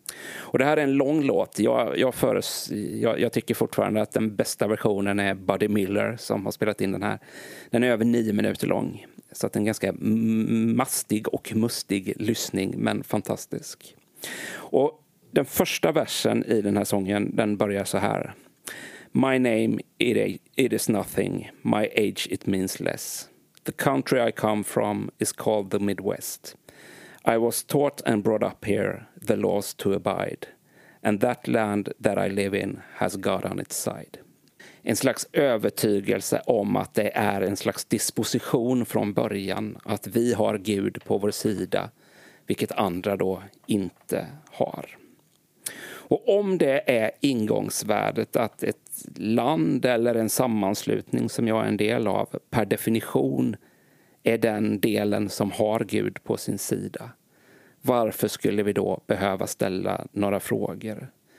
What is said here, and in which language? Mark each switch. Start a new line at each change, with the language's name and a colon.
Swedish: Och det här är en lång låt. Jag tycker fortfarande att den bästa versionen är Buddy Miller som har spelat in den här. Den är över 9 minuter lång. Så att en ganska mastig och mustig lyssning, men fantastisk. Och den första versen i den här sången, den börjar så här.
English: My name, it is nothing. My age, it means less. The country I come from is called the Midwest. I was taught and brought up here, the laws to abide. And that land that I live in has God on its side.
Swedish: En slags övertygelse om att det är en slags disposition från början. Att vi har Gud på vår sida, vilket andra då inte har. Och om det är ingångsvärdet att ett land eller en sammanslutning som jag är en del av per definition är den delen som har Gud på sin sida, varför skulle vi då behöva ställa några frågor?